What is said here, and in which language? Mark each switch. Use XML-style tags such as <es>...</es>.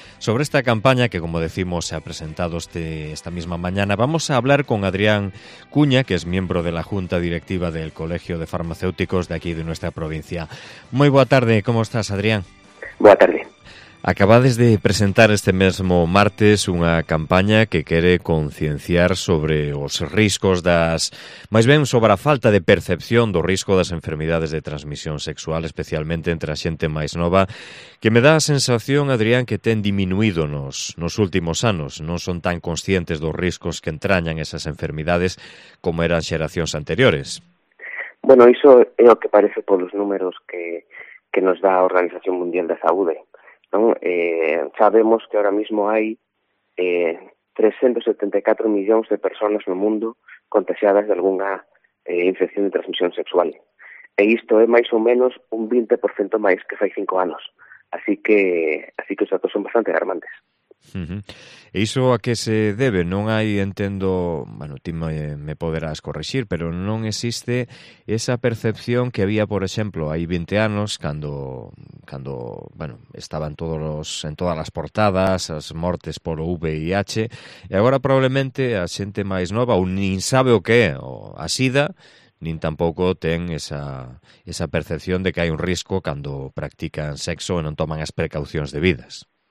<es>Sobre esta campaña, que como decimos se ha presentado esta misma mañana, vamos a hablar con Adrián Cuña, que es miembro de la Junta Directiva del Colegio de Farmacéuticos de aquí de nuestra provincia. Muy buena tarde, ¿cómo estás, Adrián? Buena tarde.</es> <gl>Acabades de presentar este mismo martes una campaña que quiere concienciar sobre os riscos das... Más ben, sobre a falta de percepción do risco das enfermidades de transmisión sexual, especialmente entre a xente máis nova, que me dá a sensación, Adrián, que ten diminuído nos últimos anos. Non son tan conscientes dos riscos que entrañan esas enfermidades como eran xeracións anteriores. Bueno, iso é o que parece polos números que nos dá a Organización Mundial da Saúde. ¿No?</gl> <es>Sabemos que ahora mismo hay 374 millones de personas en el mundo contagiadas de alguna infección de transmisión sexual. E esto es más o menos un 20% más que hace 5 años. Así que los datos son bastante alarmantes.</es> <gl>Uh-huh. ¿E iso a qué se debe? Non hai, entendo, bueno, ti me poderás corregir, pero non existe esa percepción que había, por exemplo, hai 20 anos cando, bueno, estaban en todas as portadas as mortes por VIH, e agora probablemente a xente máis nova ou nin sabe o que é a SIDA, nin tampouco ten esa percepción de que hai un risco cando practican sexo e non toman as precaucións debidas.</gl>